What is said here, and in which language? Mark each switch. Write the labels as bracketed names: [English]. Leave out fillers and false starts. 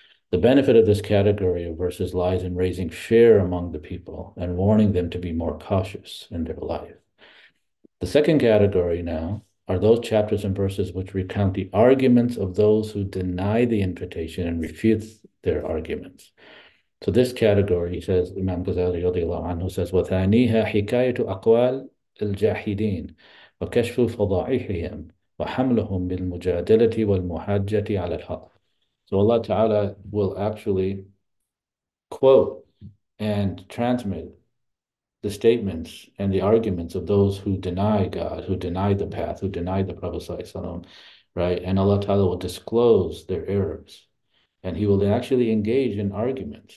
[English] The benefit of this category of verses lies in raising fear among the people and warning them to be more cautious in their life. The second category now are those chapters and verses which recount the arguments of those who deny the invitation and refute their arguments. So this category, he says, Imam Ghazali radiallahu anhu says, [Arabic] وَثَانِيهَا حِكَايَةُ أَقْوَالِ الْجَاحِدِينَ وَكَشْفُ فَضَائِحِهِمْ وَحَمْلُهُمْ بِالْمُجَادِلَةِ وَالْمُحَاجَّةِ عَلَى الْحَقِّ. [English] So Allah Ta'ala will actually quote and transmit the statements and the arguments of those who deny God, who deny the path, who deny the Prophet Sallallahu Alaihi Wasallam, right? And Allah Ta'ala will disclose their errors. And he will actually engage in arguments.